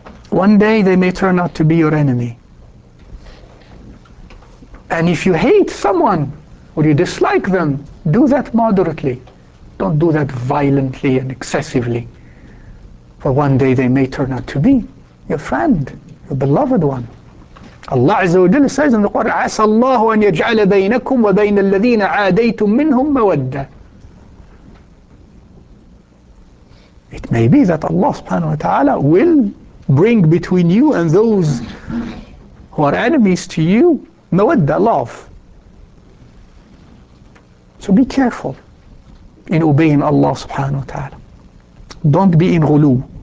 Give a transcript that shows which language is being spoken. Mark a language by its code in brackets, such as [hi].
[en] One day they may turn out to be your enemy. And if you hate someone or you dislike them, do that moderately. Don't do that violently and excessively. For one day they may turn out to be your friend, your beloved one. Allah Azza wa Jalla says in the Quran, [ar] عَسَى اللَّهُ أَنْ يَجْعَلَ بَيْنَكُمْ وَبَيْنَ الَّذِينَ عَادَيْتُمْ مِنْهُمْ مَوَدَّةً. [en] It may be that Allah subhanahu wa ta'ala will bring between you and those who are enemies to you mawadda, love. So be careful in obeying Allah subhanahu wa ta'ala. Don't be in ghulu.